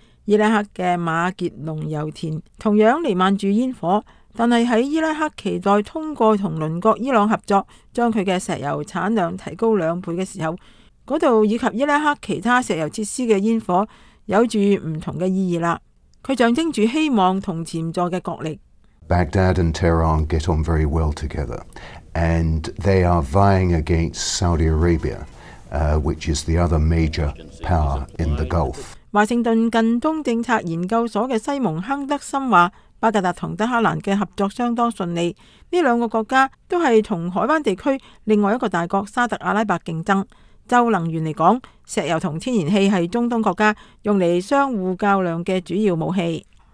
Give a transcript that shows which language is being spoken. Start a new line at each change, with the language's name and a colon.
Chinese: 伊拉克的马杰农油田同样弥漫着烟火，但是在伊拉克期待通过和邻国伊朗合作将它的石油产量提高两倍的时候，那里以及伊拉克其他石油设施的烟火有着不同的意义了，它象征着希望和潜在的角力。
English: Baghdad and Tehran get on very well together, and they are vying against Saudi Arabia, which is the other major power in the Gulf.
Chinese: 华盛顿近东政策研究所的西蒙亨德森说，巴格达和德克兰的合作相当顺利，这两个国家都是同海湾地区另外一个大国沙特阿拉伯竞争。就能源来说，石油和天然气是中东国家用来相互较量的主要武器。